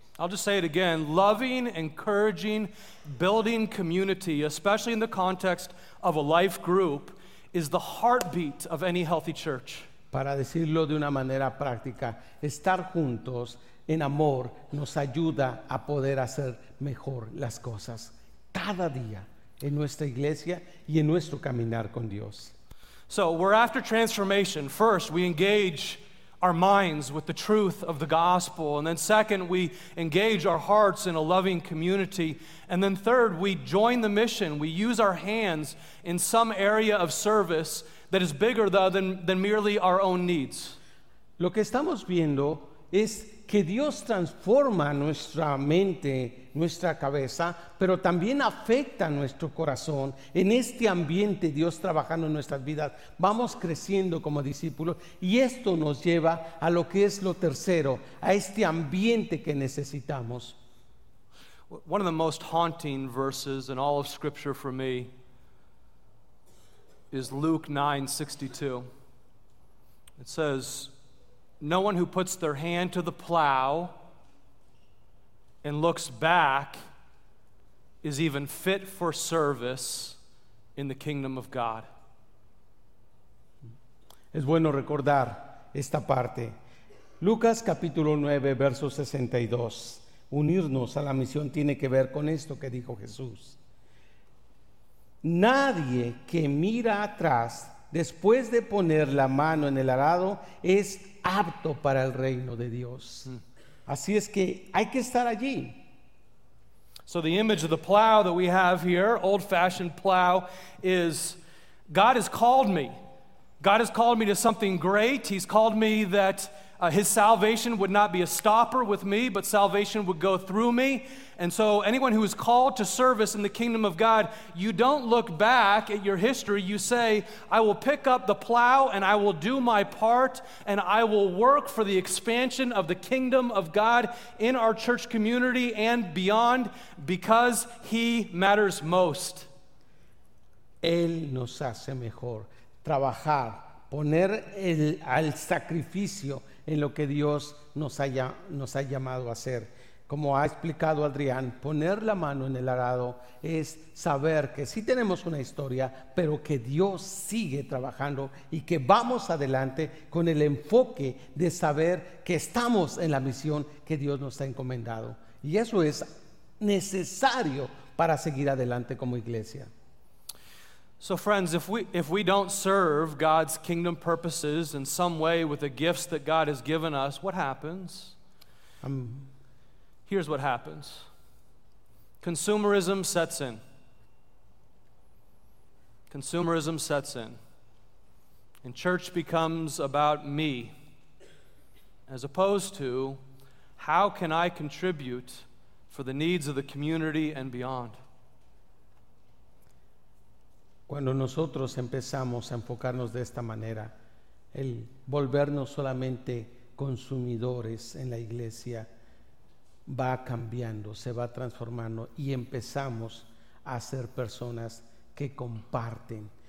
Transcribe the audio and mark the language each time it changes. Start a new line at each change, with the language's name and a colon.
English: I'll just say it again: loving, encouraging, building community, especially in the context of a life group, is the heartbeat of any healthy church.
Spanish: Para decirlo de una manera práctica, estar juntos en amor nos ayuda a poder hacer mejor las cosas cada día en nuestra iglesia y en nuestro caminar con Dios.
English: So we're after transformation. First, we engage our minds with the truth of the gospel. And then second, we engage our hearts in a loving community. And then third, we join the mission. We use our hands in some area of service that is bigger than merely our own needs.
Spanish: Lo que estamos viendo es que Dios transforma nuestra mente, nuestra cabeza, pero también afecta nuestro corazón. En este ambiente Dios trabajando en nuestras vidas, vamos creciendo como discípulos, y esto nos lleva a lo que es lo tercero, a este ambiente que necesitamos.
English: One of the most haunting verses in all of Scripture for me is Luke 9:62. It says, "No one who puts their hand to the plow and looks back is even fit for service in the kingdom of God."
Spanish: Es bueno recordar esta parte. Lucas capítulo 9, verso 62. Unirnos a la misión tiene que ver con esto que dijo Jesús. Nadie que mira atrás después de poner la mano en el arado es apto para el reino de Dios. Así es que hay que estar allí.
English: So the image of the plow that we have here, old-fashioned plow, is God has called me. God has called me to something great. He's called me that his salvation would not be a stopper with me, but salvation would go through me. And so anyone who is called to service in the kingdom of God, you don't look back at your history. You say, I will pick up the plow and I will do my part and I will work for the expansion of the kingdom of God in our church community and beyond, because he matters most.
Spanish: Él nos hace mejor trabajar, poner al sacrificio en lo que Dios nos ha llamado a hacer. Como ha explicado Adrián, poner la mano en el arado es saber que sí tenemos una historia, pero que Dios sigue trabajando y que vamos adelante con el enfoque de saber que estamos en la misión que Dios nos ha encomendado. Y eso es necesario para seguir adelante como iglesia.
English: So friends, if we don't serve God's kingdom purposes in some way with the gifts that God has given us, what happens? Here's what happens. Consumerism sets in. Consumerism sets in. And church becomes about me, as opposed to how can I contribute for the needs of the community and beyond.
Spanish: Cuando nosotros empezamos a enfocarnos de esta manera, el volvernos solamente consumidores en la iglesia va cambiando, se va transformando, y empezamos a ser personas que comparten.